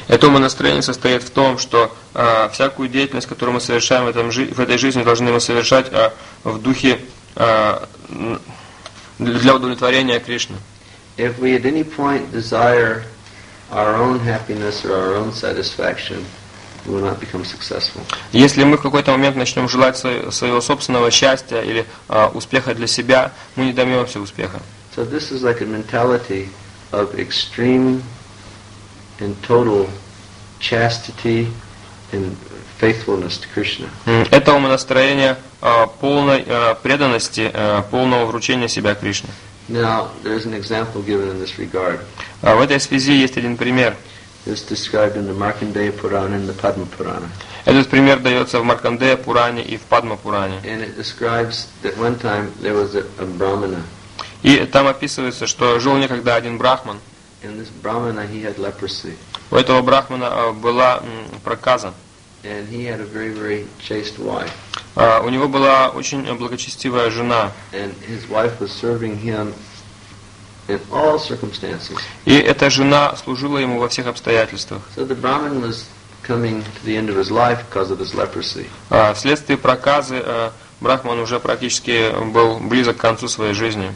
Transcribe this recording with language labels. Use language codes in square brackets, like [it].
[ru] Это умонастроение состоит в том, что всякую деятельность, которую мы совершаем в этой жизни, должны мы совершать в духе для удовлетворения Кришны. [en] If we at any point desire our own happiness or our own satisfaction, we will not become successful. [ru] Если мы в какой-то момент начнем желать своего собственного счастья или успеха для себя, мы не добьемся успеха. [en] So this is like a mentality of extreme and total chastity and faithfulness to Krishna. [ru] Это умонастроение полной преданности, полного вручения себя Кришне. [en] Now there is an example given in this regard. [ru] В этой связи есть один пример. [en] It's described in the Markandeya Purana and the Padma Purana. [ru] Этот пример дается в Маркандея Пуране и в Падма Пуране. [en] And it describes that one time there was a brahmana. [ru] И там описывается, что жил некогда один брахман. [en] And this brahmana, he had leprosy. [ru] У этого брахмана была проказа. [en] And he had a very, very chaste wife. [ru] У него была очень благочестивая жена. [en] And his wife was serving him in all circumstances. [ru] И эта жена служила ему во всех обстоятельствах. [en] So the brahman was coming to the end of his life because of his leprosy. [ru] Вследствие проказы брахман уже практически был близок к концу своей жизни.